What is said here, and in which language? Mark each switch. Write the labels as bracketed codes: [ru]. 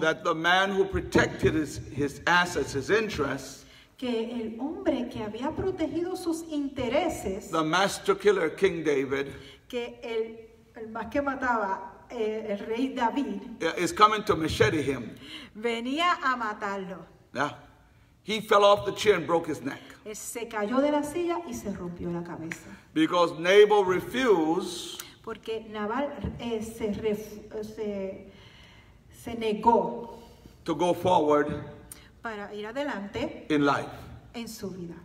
[en] that the man who protected his assets, his interests, [es] que el hombre que había protegido sus intereses, [en] the master killer, King David, [es] que el más que mataba, el rey David, [en] is coming to machete him. [es] Venía a matarlo. [en] Yeah. He fell off the chair and broke his neck. [es] Se cayó de la silla y se rompió la cabeza. [en] Because Nabal refused. [es] Porque Nabal se negó. [en] To go forward. [es] Para ir adelante. [en] In life. [es] En su vida.